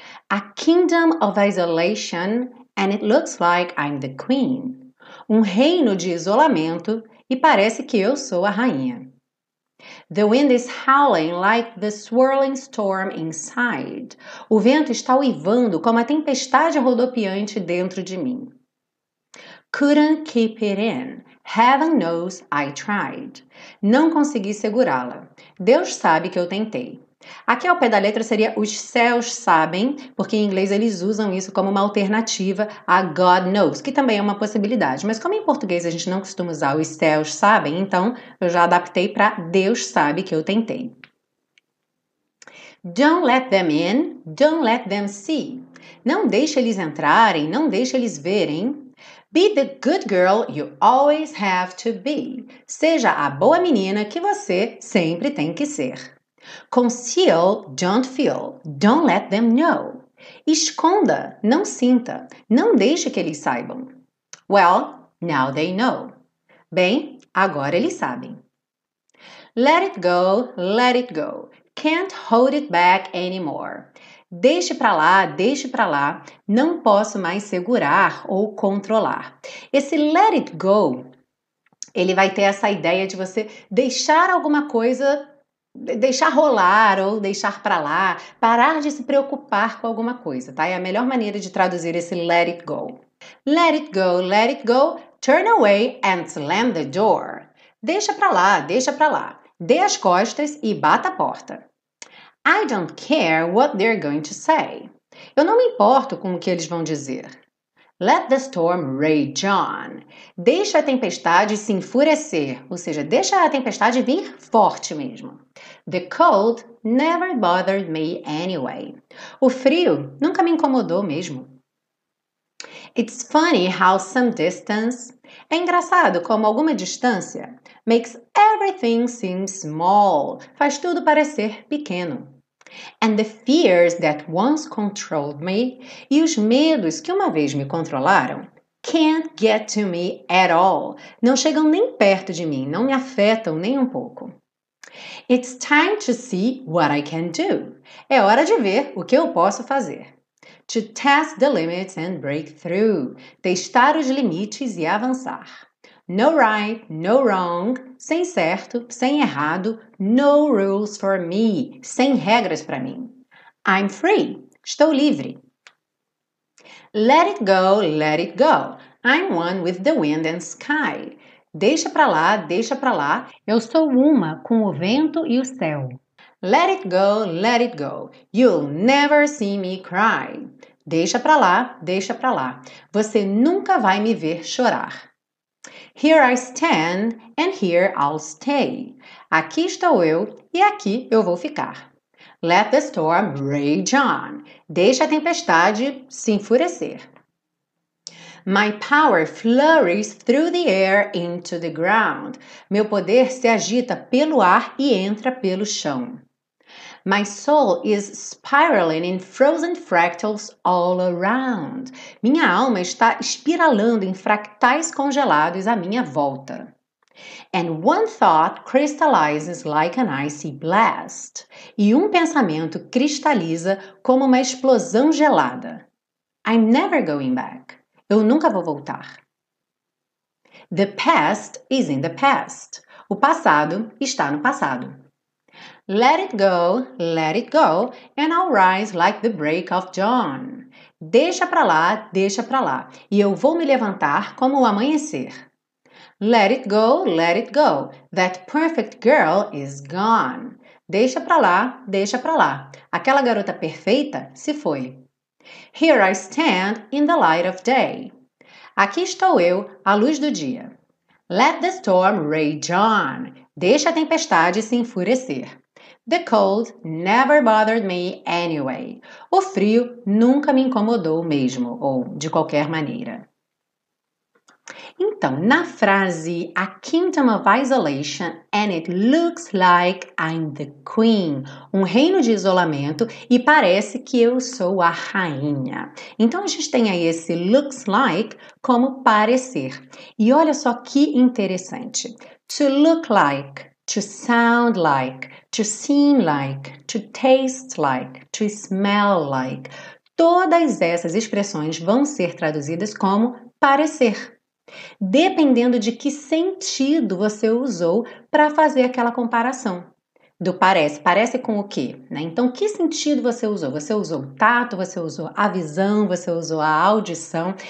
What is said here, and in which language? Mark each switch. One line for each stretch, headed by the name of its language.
English: A kingdom of isolation, and it looks like I'm the queen.
Portuguese: Um reino de isolamento, e parece que eu sou a rainha.
English: The wind is howling like the swirling storm inside.
Portuguese: O vento está uivando como a tempestade rodopiante dentro de mim.
English: Couldn't keep it in. Heaven knows I tried.
Portuguese: Não consegui segurá-la. Deus sabe que eu tentei. Aqui ao pé da letra seria os céus sabem, porque em inglês eles usam isso como uma alternativa a
English: God knows,
Portuguese: que também é uma possibilidade. Mas como em português a gente não costuma usar os céus sabem, então eu já adaptei para Deus sabe que eu tentei.
English: Don't let them in, don't let them see.
Portuguese: Não deixe eles entrarem, não deixe eles verem.
English: Be the good girl you always have to be.
Portuguese: Seja a boa menina que você sempre tem que ser.
English: Conceal, don't feel, don't let them know.
Portuguese: Esconda, não sinta, não deixe que eles saibam.
English: Well, now they know.
Portuguese: Bem, agora eles sabem.
English: Let it go, let it go. Can't hold it back anymore.
Portuguese: Deixe para lá, deixe para lá. Não posso mais segurar ou controlar. Esse
English: let it go,
Portuguese: ele vai ter essa ideia de você deixar alguma coisa, deixar rolar ou deixar para lá, parar de se preocupar com alguma coisa, tá? É a melhor maneira de traduzir esse
English: let it go. Let it go, let it go. Turn away and slam the door.
Portuguese: Deixa para lá, deixa para lá. Dê as costas e bata a porta.
English: I don't care what they're going to say.
Portuguese: Eu não me importo com o que eles vão dizer.
English: Let the storm rage on.
Portuguese: Deixa a tempestade se enfurecer, ou seja, deixa a tempestade vir forte mesmo.
English: The cold never bothered me anyway.
Portuguese: O frio nunca me incomodou mesmo.
English: It's funny how some distance.
Portuguese: É engraçado como alguma distância
English: makes everything seem small.
Portuguese: Faz tudo parecer pequeno.
English: And the fears that once controlled me,
Portuguese: e os medos que uma vez me controlaram,
English: can't get to me at all.
Portuguese: Não chegam nem perto de mim, não me afetam nem um pouco.
English: It's time to see what I can do.
Portuguese: É hora de ver o que eu posso fazer.
English: To test the limits and break through.
Portuguese: Testar os limites e avançar.
English: No right, no wrong,
Portuguese: sem certo, sem errado,
English: no rules for me,
Portuguese: sem regras para mim.
English: I'm free,
Portuguese: estou livre.
English: Let it go, I'm one with the wind and sky.
Portuguese: Deixa para lá, deixa para lá, eu sou uma com o vento e o céu.
English: Let it go, you'll never see me cry.
Portuguese: Deixa para lá, deixa para lá, você nunca vai me ver chorar.
English: Here I stand, and here I'll stay.
Portuguese: Aqui estou eu, e aqui eu vou ficar.
English: Let the storm rage on.
Portuguese: Deixa a tempestade se enfurecer.
English: My power flurries through the air into the ground.
Portuguese: Meu poder se agita pelo ar e entra pelo chão.
English: My soul is spiraling in frozen fractals all around.
Portuguese: Minha alma está espiralando em fractais congelados à minha volta.
English: And one thought crystallizes like an icy blast.
Portuguese: E um pensamento cristaliza como uma explosão gelada.
English: I'm never going back.
Portuguese: Eu nunca vou voltar.
English: The past is in the past.
Portuguese: O passado está no passado.
English: Let it go, and I'll rise like the break of dawn.
Portuguese: Deixa pra lá, e eu vou me levantar como o amanhecer.
English: Let it go, that perfect girl is gone.
Portuguese: Deixa pra lá, aquela garota perfeita se foi.
English: Here I stand in the light of day.
Portuguese: Aqui estou eu, à luz do dia.
English: Let the storm rage on.
Portuguese: Deixa a tempestade se enfurecer.
English: The cold never bothered me anyway.
Portuguese: O frio nunca me incomodou mesmo, ou de qualquer maneira. Então, na frase,
English: a kingdom of isolation and it looks like I'm the queen.
Portuguese: Um reino de isolamento e parece que eu sou a rainha. Então, a gente tem aí esse
English: looks like
Portuguese: como parecer. E olha só que interessante.
English: To look like, to sound like, to seem like, to taste like, to smell like.
Portuguese: Todas essas expressões vão ser traduzidas como parecer. Dependendo de que sentido você usou para fazer aquela comparação. Do parece, parece com o quê? Né? Então, que sentido você usou? Você usou o tato, você usou a visão, você usou a audição.